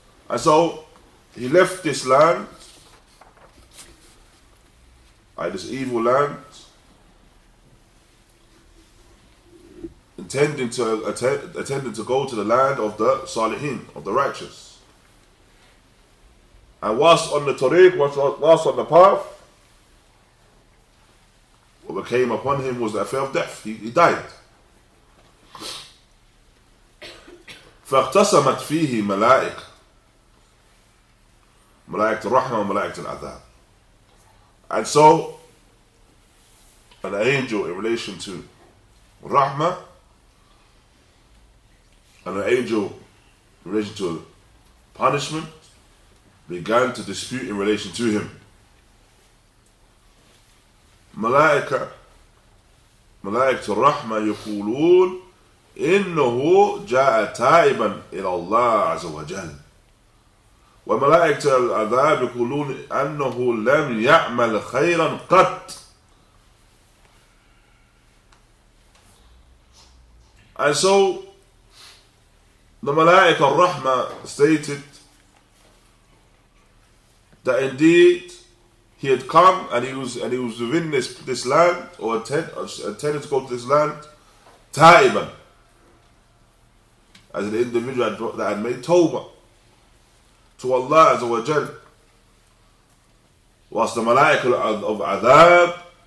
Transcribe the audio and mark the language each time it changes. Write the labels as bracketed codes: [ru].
[en] And so he left this land, this evil land, intending to go to the land of the Salihin, of the righteous. And whilst on the tariq, whilst on the path, what came upon him was the affair of death. He died. [ar] فَاَقْتَسَمَتْ فِيهِ مَلَائِكَ ملائكة الرحمة وملائكة العذاب. [en] And so, an angel in relation to Rahma, and an angel in relation to punishment, began to dispute in relation to him. [ar] ملائكة الرحمة يقولون إنه جاء تائبا إلى الله عز وجل. وملائكة العذاب يقولون أنه لم يعمل خيرا قط. [en] And so the ملائكه الرحمه stated that indeed he had come and he was within this land, or intended to go to this land, تائبا, as an individual that had made توبة to Allah Azza wa Jal. Whilst the malaika of Adab